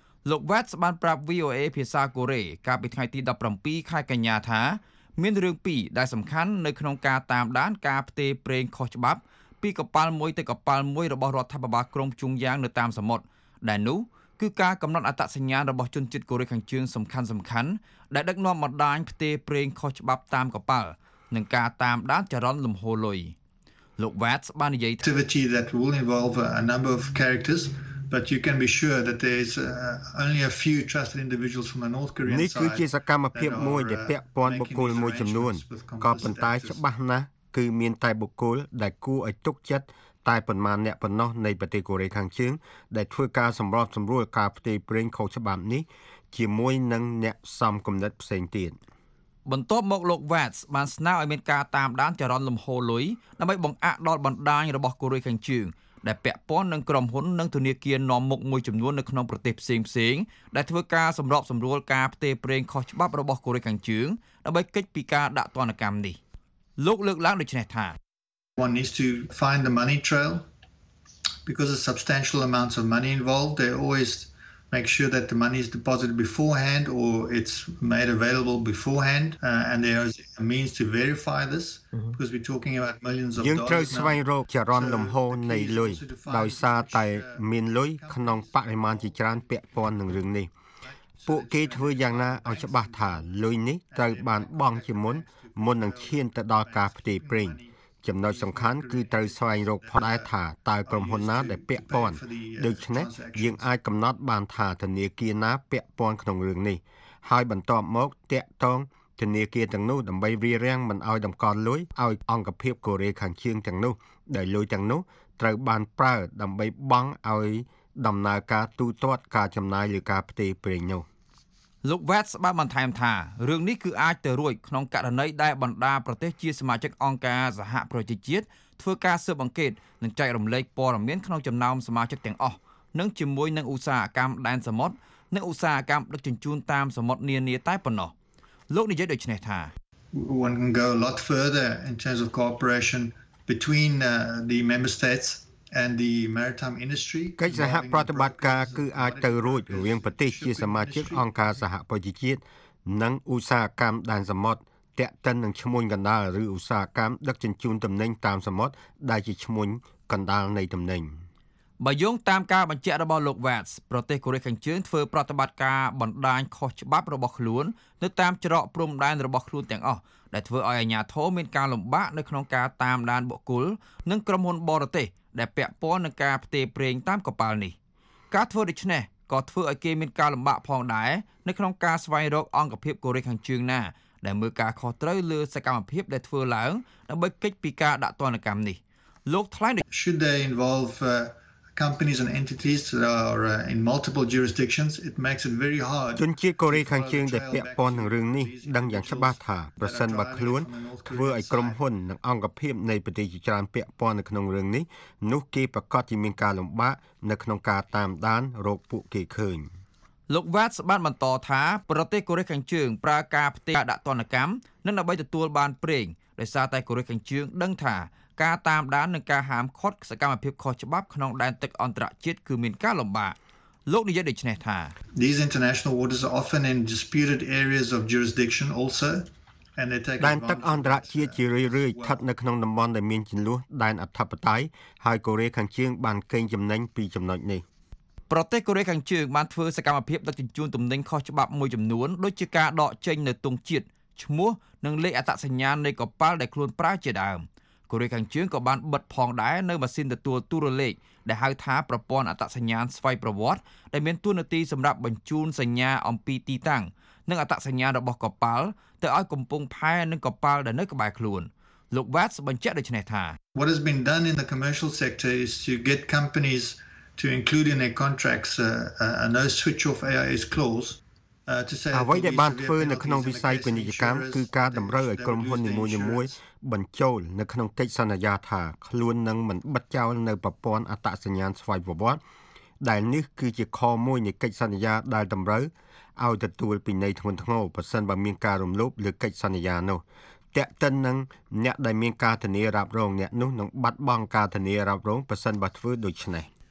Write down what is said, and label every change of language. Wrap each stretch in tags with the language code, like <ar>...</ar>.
<km>លោក Watts បានប្រាប់ VOA ភាសាកូរ៉េកាលពីថ្ងៃទី17ខែកញ្ញាថាមានរឿងពីរដែលសំខាន់នៅក្នុងការតាមដានការផ្ទេរប្រេងខុសច្បាប់ពីកប៉ាល់មួយទៅកប៉ាល់មួយរបស់រដ្ឋាភិបាលក្រុងជុងយ៉ាងនៅតាមសមុទ្រដែលនោះគឺការកំណត់អត្តសញ្ញាណរបស់ជនជាតិកូរ៉េខាងជើងសំខាន់ៗដែលដឹកនាំបណ្ដាញផ្ទេរប្រេងខុសច្បាប់តាមកប៉ាល់និងការតាមដានចរន្តលំហូរលុយលោក Watts បាននិយាយ ថា</km> <en>activity that will involve a number of characters but you can be sure that there's only a few trusted individuals from the North Korean side</en> <km>នេះគឺជាសកម្មភាពមួយដែលពាក់ព័ន្ធបុគ្គលមួយចំនួនក៏ប៉ុន្តែច្បាស់ណាស់គឺមានតែបុគ្គលដែលគួរឲ្យទុកចិត្តតែប៉ុន្មានអ្នកប៉ុណ្ណោះនៃប្រទេសកូរ៉េខាងជើងដែលធ្វើការសម្របសម្រួលការផ្ទេរប្រេងខុសច្បាប់នេះជាមួយនឹងអ្នកសំគំនិតផ្សេងទៀត បន្ទាប់មកលោក Watts បានស្នើឲ្យមានការតាមដានចរន្តលំហូរលុយដើម្បីបង្អាក់ដល់បណ្ដាញរបស់កូរ៉េខាងជើងដែលពាក់ព័ន្ធនឹងក្រុមហ៊ុននិងធនាគារនាំមុខមួយចំនួននៅក្នុងប្រទេសផ្សេងៗដែលធ្វើការសម្របសម្រួលការផ្ទេរប្រេងខុសច្បាប់របស់កូរ៉េខាងជើងដើម្បីកិច្ចពីការដាក់ទណ្ឌកម្មនេះលោកលើកឡើងដូចនេះថា</km> <en>one needs to find the money trail because of substantial amounts of money involved they always make sure that the money is deposited beforehand or it's made available beforehand and there is a means to verify this because we're talking about millions of dollars</en> <km>យើងត្រូវស្វែងរកចរន្តលំហូរនៃលុយដោយសារតែមានលុយក្នុងបរិមាណជាច្រើនពាក់ព័ន្ធនឹងរឿងនេះពួកគេធ្វើយ៉ាងណាឲ្យច្បាស់ថាលុយនេះត្រូវបានបង់ជា មុននឹងឈានទៅដល់ការផ្ទេរប្រេងចំណុចសំខាន់គឺត្រូវស្វែងរកផ្ដែថាតើក្រុមហ៊ុនណាដែលពាក់ព័ន្ធដូច្នេះយើងអាចកំណត់បានថាធនាគារណាពាក់ព័ន្ធក្នុងរឿងនេះហើយបន្ទាប់មកតាក់ទងធនាគារទាំងនោះដើម្បីរារាំងមិនឲ្យតម្កល់លុយឲ្យអង្គភាពកូរ៉េខាងជើងទាំងនោះដែលលុយទាំងនោះត្រូវបានប្រើដើម្បីបង់ឲ្យដំណើរការទូទាត់ការចំណាយឬការផ្ទេរប្រេងនោះ លោក Watts បានបន្ថែមថារឿងនេះគឺអាចទៅរួចក្នុងករណីដែលបណ្ដាប្រទេសជាសមាជិកអង្គការសហប្រជាជាតិធ្វើការស៊ើបអង្កេតនិងចែករំលែកព័ត៌មានក្នុងចំណោមសមាជិកទាំងអស់និងជាមួយនឹងឧស្សាហកម្មដែនសមុទ្រនិងឧស្សាហកម្មដឹកជញ្ជូនតាមសមុទ្រនានាតែប៉ុណ្ណោះលោកនិយាយដូចនេះថា</km> <en>One can go a lot further in terms of cooperation between the member states. And the maritime industry</en> <km>កិច្ចសហប្រតិបត្តិការគឺអាចទៅរួចរវាងប្រទេសជាសមាជិកអង្គការសហប្រជាជាតិនិងឧស្សាហកម្មដែនសមុទ្រតាក់ទិននឹងឈ្មោះកណ្ដាលឬឧស្សាហកម្មដឹកជញ្ជូនទំនិញតាមសមុទ្រដែលជាឈ្មោះកណ្ដាលនៃទំនិញ បើយោងតាមការបញ្ជាក់របស់លោក Watts ប្រទេសកូរ៉េខាងជើងធ្វើប្រតិបត្តិការបណ្ដាញខុសច្បាប់របស់ខ្លួននៅតាមច្រកព្រំដែនរបស់ខ្លួនទាំងអស់ដែលធ្វើឲ្យអាជ្ញាធរមានការលំបាកនៅក្នុងការតាមដានបុគ្គលនិងក្រុមហ៊ុនបរទេសដែលពាក់ព័ន្ធនឹងការផ្ទេរប្រេងតាមកប៉ាល់នេះការធ្វើដូច្នេះ ក៏ធ្វើឲ្យគេមានការលំបាកផងដែរនៅក្នុងការស្វែងរកអង្គភាពកូរ៉េខាងជើងណាដែលមើលការខុសត្រូវលើសកម្មភាពដែលធ្វើឡើងដើម្បីគេចពីការដាក់ទណ្ឌកម្មនេះលោកថ្លែង</km> <en>Should they involve companies and entities that are in multiple jurisdictions it makes it very hard</en> <km>ជនជាតិកូរ៉េខាងជើងដែលពាក់ព័ន្ធនឹងរឿងនេះដឹងយ៉ាងច្បាស់ថាប្រសិនបើខ្លួនធ្វើឲ្យក្រុមហ៊ុននិងអង្គភាពនៃប្រទេសជាច្រើនពាក់ព័ន្ធនៅក្នុងរឿងនេះនោះគេប្រកាសជាមានការលំបាកនៅក្នុងការតាមដានរោគពួកគេឃើញ លោកវ៉ាតបានបន្តថាប្រទេសកូរ៉េខាងជើងប្រើការផ្ទេរដាក់ទណ្ឌកម្មនិងដើម្បីទទួលបានប្រេងដោយសារតែកូរ៉េខាងជើងដឹងថាការតាមដាននិងការហាមឃាត់សកម្មភាពខុសច្បាប់ក្នុងដែនទឹកអន្តរជាតិគឺមានការលំបាកលោកនិយាយដូចនេះថា</km> <en>These international waters are often in disputed areas of jurisdiction also and they take</en> <km>ដែនទឹកអន្តរជាតិជារឿយៗស្ថិតនៅក្នុងតំបន់ដែលមានចំនួនដែនអធិបតេយ្យហើយកូរ៉េខាងជើងបានកេងចំណេញពីចំណុចនេះ ប្រទេសកូរ៉េខាងជើងបានធ្វើសកម្មភាពដឹកជញ្ជូនទំនិញខុសច្បាប់មួយចំនួនដូចជាការដកចេញនៅទង់ជាតិឈ្មោះនិងលេខអត្តសញ្ញាណនៃកប៉ាល់ដែលខ្លួនប្រើជាដើមកូរ៉េខាងជើងក៏បានបិទផងដែរនៅម៉ាស៊ីនទទួលទូរលេខដែលហៅថាប្រព័ន្ធអត្តសញ្ញាណស្វ័យប្រវត្តិដែលមានទួនាទីសម្រាប់បញ្ជូនសញ្ញាអំពីទីតាំងនិងអត្តសញ្ញាណរបស់កប៉ាល់ទៅឲ្យកំពង់ផែនិងកប៉ាល់ដែលនៅក្បែរខ្លួនលោក Watts បញ្ជាក់ដូចនេះថា</km> <en>What has been done in the commercial sector is to get companies to include in their contracts a no switch off AIS clause</en> <km>អ្វីដែលបានធ្វើនៅក្នុងវិស័យពាណិជ្ជកម្មគឺការតម្រូវឲ្យក្រុមហ៊ុននីមួយៗបញ្ចូលនៅក្នុងកិច្ចសន្យាថាខ្លួននឹងមិនបិទចោលនៅប្រព័ន្ធអត្តសញ្ញាណស្វ័យប្រវត្តិដែលនេះគឺជាខមួយនៃកិច្ចសន្យាដែលតម្រូវឲ្យទទួលពីន័យធ្ងន់ធ្ងរប្រសិនបើមានការរំលោភលើកិច្ចសន្យានោះតែកិននឹងអ្នកដែលមានការធានារ៉ាប់រងអ្នកនោះនឹងបាត់បង់ការធានារ៉ាប់រងប្រសិនបើធ្វើដូច្នេះ</km>